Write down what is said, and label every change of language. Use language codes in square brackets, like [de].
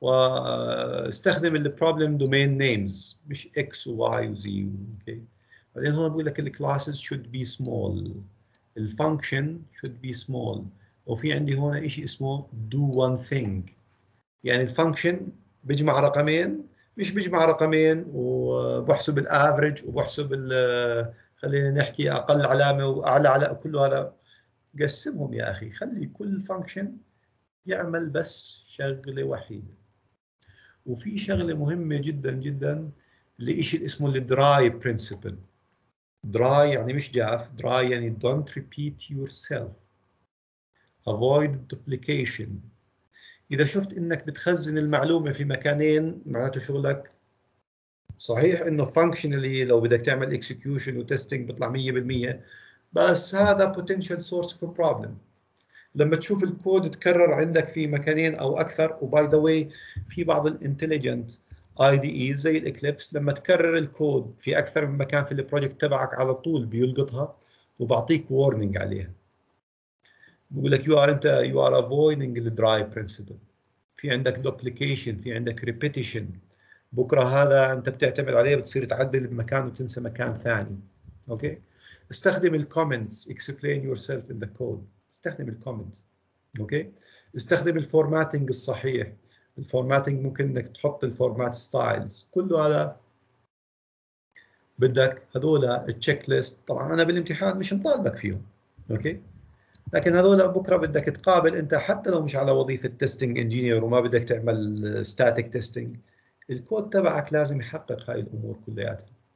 [ar] واستخدم ال [en] problem domain names [ar] مش x y z. okay. بعدين هون بقول لك ال [en] classes should be small. ال function should be small. [ar] وفي عندي هون إشي اسمه [en] do one thing. [ar] يعني ال function بجمع رقمين, مش بجمع رقمين وبحسب ال average وبحسب ال خلينا نحكي أقل علامة وأعلى علامة, كل هذا قسمهم يا أخي, خلي كل function يعمل بس شغلة وحيدة. وفي شغلة مهمة جدا جدا لإشي اسمه ال dry principle. [en] dry [ar] يعني مش جاف, [en] dry يعني don't repeat yourself, avoid duplication. [ar] إذا شفت إنك بتخزن المعلومة في مكانين معناته شغلك صحيح, إنه functionally لو بدك تعمل execution وtesting بطلع 100%, بس هذا [en] potential source of a problem. [ar] لما تشوف الكود تكرر عندك في مكانين أو أكثر, و [en] by the way [ar] في بعض ال [en] intelligent IDE [ar] زي الإكليبس لما تكرر الكود في أكثر من مكان في البروجكت تبعك على طول بيلقطها وبعطيك warning عليها. بقول لك [en] you are avoiding the dry principle. [ar] في عندك duplication, في عندك repetition. بكرة هذا أنت بتعتمد عليه بتصير تعدل المكان وتنسى مكان ثاني. أوكي. استخدم الكومنتس, [en] explain yourself in the code. [ar] استخدم الكومنت. أوكي. استخدم الفورماتنج الصحيح. الفورماتنج ممكن إنك تحط الفورمات ستايلز. كله هذا بدك هذولا التشيك ليست. طبعا أنا بالامتحان مش مطالبك فيهم. أوكي. لكن هذول بكره بدك تقابل انت حتى لو مش على وظيفه تيستينج انجينير وما بدك تعمل ستاتيك تيستينج, الكود تبعك لازم يحقق هاي الامور كلياتها.